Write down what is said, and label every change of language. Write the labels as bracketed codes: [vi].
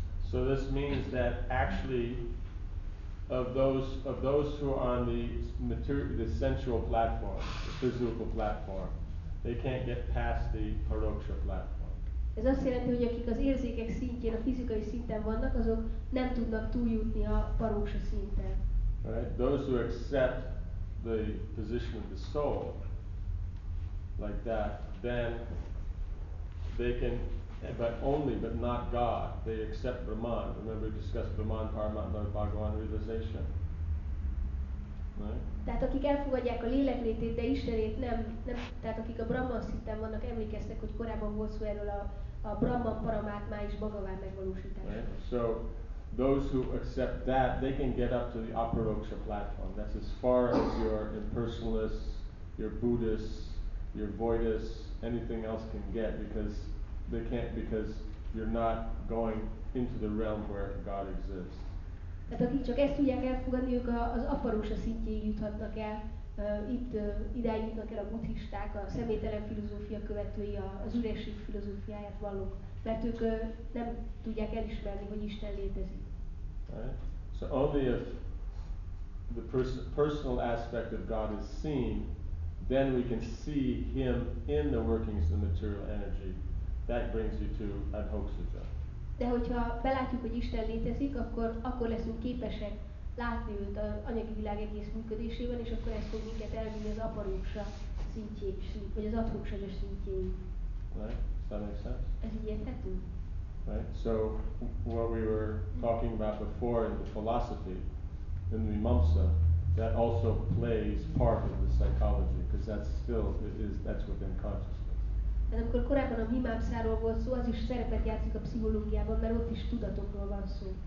[en] So this means that actually of those who are on the material, the sensual platform, the physical platform, they can't get past the paroksha platform. [hu] Ez azt jelenti, hogy akik az érzékek szintjén, a fizikai szinten vannak, azok nem tudnak túljutni a paroksha szinten. [en] Right? Those who accept the position of the soul like that, then they can, but only, but not God. They accept Brahman. Remember we discussed Brahman, Paramatma, Bhagavan realization. Right? [hu] Tehát akik elfogadják a léleklétét, de Istenét nem, tehát akik a Brahman szinten vannak, emlékeztek, hogy korábban volt szó erről a Brahman, Paramatma és Bhagavan megvalósítása. [en] Right? So those who accept that, they can get up to the aparoksha platform. That's as far as your impersonalists, your Buddhists, your voidists, anything else can get, because they can't, because you're not going into the realm where God exists. [hu] Tehát akik csak ezt tudják elfogadni, ők az aparoksha szintjéig juthatnak el. Idáig jutnak el a buddhisták, a személytelen filozófia követői, az üresség filozófiáját vallók. Mert ők nem tudják elismerni, hogy Isten létezik. [en] Right. So only if the personal aspect of God is seen, then we can see him in the workings of the material energy. That brings you to adhoksita. [hu] De hogyha belátjuk, hogy Isten létezik, akkor leszünk képesek látni őt az anyagi világ egész működésében, és akkor ez fog minket elvinni az aparoksha szintjé, vagy az adhoksha szintjé. [en] Right? That makes sense? [hu] Ez így érthető? [en] Right? So, what we were talking about before in the philosophy, in the Mimamsa, that also plays part of the psychology, because that's within consciousness. [hu] Tehát akkor korábban a Mimamsáról volt szó, az is szerepet játszik a pszichológiában, mert ott is tudatokról van szó.